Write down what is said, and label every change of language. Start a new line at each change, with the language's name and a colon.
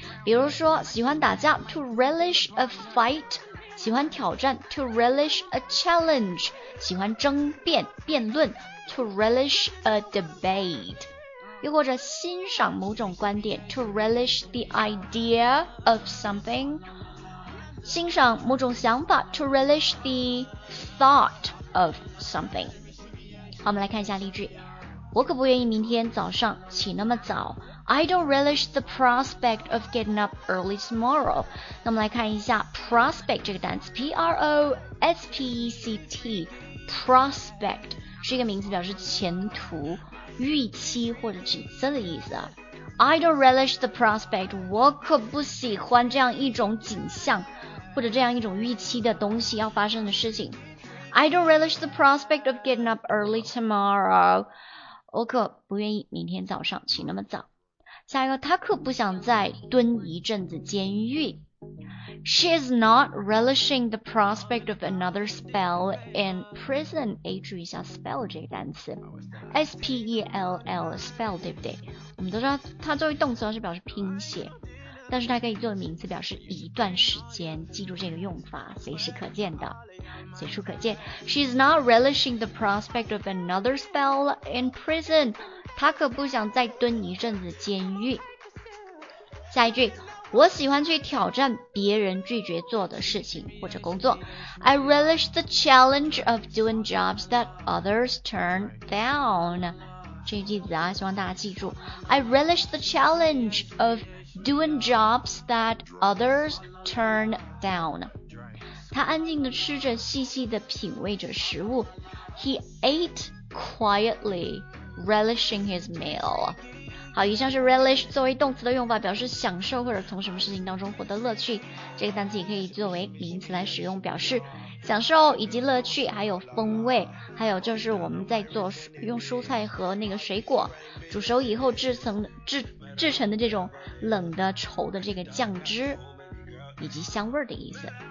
Chinese: 比如说喜欢打架
English: to relish a fight,
Chinese: 喜欢挑战
English: to relish a challenge,
Chinese: 喜欢争辩辩论
English: to relish a debate,
Chinese: 又或者欣赏某种观点
English: to relish the idea of something,
Chinese: 欣赏某种想法
English: to relish the thought of something.
Chinese: 好，我们来看一下例句。我可不愿意明天早上起那么早。
English: I don't relish the prospect of getting up early tomorrow.
Chinese: 那我们来看一下 prospect 这个单词 P-R-O-S-P-E-C-T prospect 是一个名词，表示前途、预期或者景色的意思啊。
English: I don't relish the prospect.
Chinese: 我可不喜欢这样一种景象或者这样一种预期的东西要发生的事情。
English: I don't relish the prospect of getting up early tomorrow.
Chinese: 我可不愿意明天早上起那么早。下一个，他可不想再蹲一阵子监狱。
English: She is not relishing the prospect of another spell in prison.
Chinese: 注意一下 spell 这个单词 ，S-P-E-L-L spell 对不对？我们都知道它作为动词是表示拼写，但是它可以作为名词表示一段时间。记住这个用法，随时可见的，随处可见。
English: She is not relishing the prospect of another spell in prison.
Chinese: 他可不想再蹲一阵子监狱。下一句，我喜欢去挑战别人拒绝做的事情或者工作。
English: I relish the challenge of doing jobs that others turn down.
Chinese: 这句子啊，希望大家记住。
English: I relish the challenge of doing jobs that others turn down.
Chinese: 他安静地吃着，细细地品味着食物。
English: He ate quietly. Relishing his meal.
Chinese: 好，以上是 relish 作为动词的用法，表示享受或者从什么事情当中获得乐趣。这个单词也可以作为名词来使用，表示享受以及乐趣，还有风味，还有就是我们在做用蔬菜和那个水果煮熟以后制成的这种冷的稠的这个酱汁以及香味的意思。